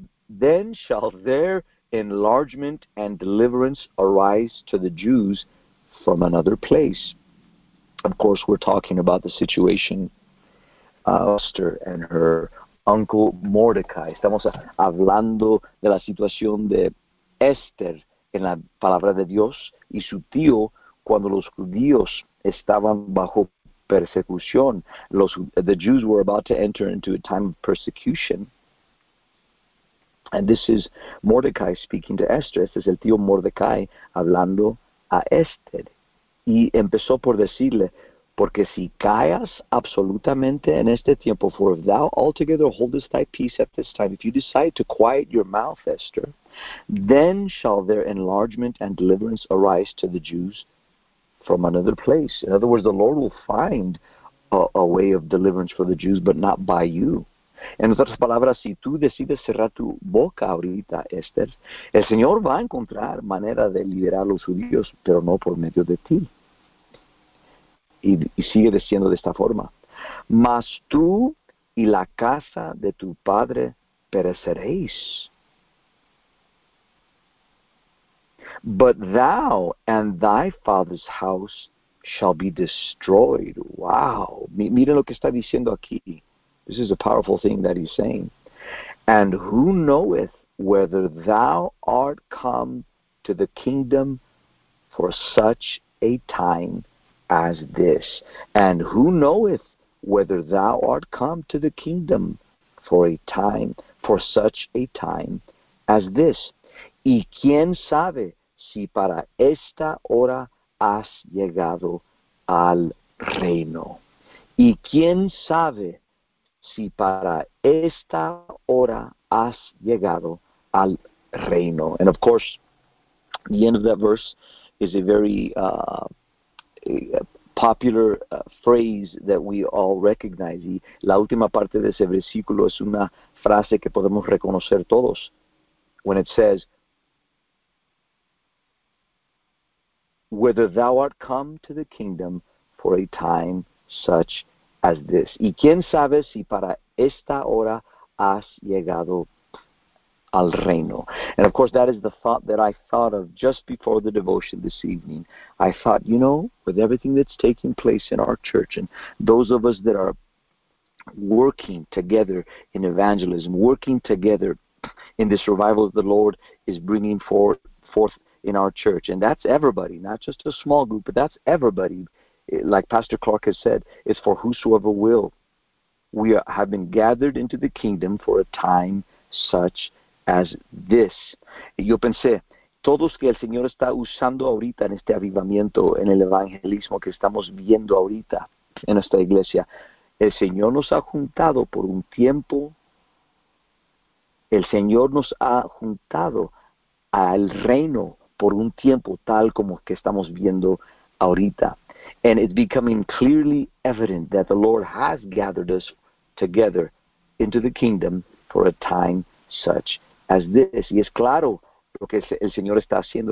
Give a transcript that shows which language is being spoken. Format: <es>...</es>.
<en>Then shall their enlargement and deliverance arise to the Jews from another place. Of course, we're talking about the situation of Esther and her uncle Mordecai.</en> <es>Estamos hablando de la situación de Esther en la palabra de Dios y su tío cuando los judíos estaban bajo persecución.</es> <en>The Jews were about to enter into a time of persecution. And this is Mordecai speaking to Esther.</en> <es>Este es el tío Mordecai hablando a Esther. Y empezó por decirle, porque si callas absolutamente en este tiempo,</es> <en>for if thou altogether holdest thy peace at this time, if you decide to quiet your mouth, Esther, then shall their enlargement and deliverance arise to the Jews from another place. In other words, the Lord will find a way of deliverance for the Jews, but not by you.</en> <es>En otras palabras, si tú decides cerrar tu boca ahorita, Esther, el Señor va a encontrar manera de liberar a los judíos, pero no por medio de ti. Y sigue diciendo de esta forma, mas tú y la casa de tu padre pereceréis.</es> <en>But thou and thy father's house shall be destroyed. Wow.</en> <es>Miren lo que está diciendo aquí.</es> <en>This is a powerful thing that he's saying. And who knoweth whether thou art come to the kingdom for such a time as this. And who knoweth whether thou art come to the kingdom for such a time as this?</en> <es>Y quién sabe si para esta hora has llegado al reino. Y quién sabe si para esta hora has llegado al reino.</es> <en>And of course, the end of that verse is a very popular phrase that we all recognize.</en> <es>Y la última parte de ese versículo es una frase que podemos reconocer todos.</es> <en>When it says, whether thou art come to the kingdom for a time such as this.</en> <es>Y quién sabe si para esta hora has llegado al reino.</es> <en>And of course, that is the thought that I thought of just before the devotion this evening. I thought, you know, with everything that's taking place in our church and those of us that are working together in evangelism, working together in this revival that the Lord is bringing forth in our church. And that's everybody, not just a small group, but that's everybody. Like Pastor Clark has said, it's for whosoever will. We have been gathered into the kingdom for a time such as this.</en> <es>Y yo pensé, todos que el Señor está usando ahorita en este avivamiento, en el evangelismo que estamos viendo ahorita en esta iglesia, el Señor nos ha juntado por un tiempo. El Señor nos ha juntado al reino por un tiempo tal como que estamos viendo ahorita.</es> <en>And it's becoming clearly evident that the Lord has gathered us together into the kingdom for a time such as this.</en> <es>Y es claro lo que el Señor está haciendo.</es>